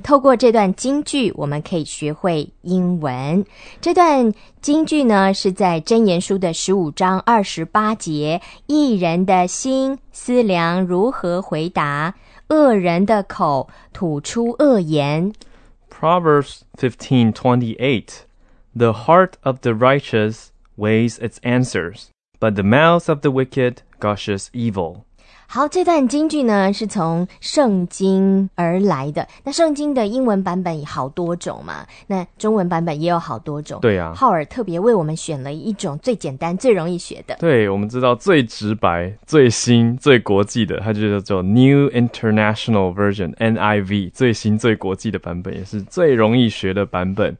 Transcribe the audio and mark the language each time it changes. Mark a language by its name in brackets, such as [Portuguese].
[Chinese] 透过这段金句，我们可以学会英文。这段金句呢，是在箴言书的15章28节，义人的心思量如何回答，恶人的口吐出恶言。 [English] Proverbs 15:28, The heart of the righteous weighs its answers, but the mouth of the wicked gushes evil. [Chinese] 好，这段金句呢，是从圣经而来的。那圣经的英文版本好多种嘛，那中文版本也有好多种。对啊，浩尔特别为我们选了一种最简单最容易学的。对，我们知道最直白最新最国际的，它就叫做 New International Version NIV， 最新最国际的版本，也是最容易学的版本。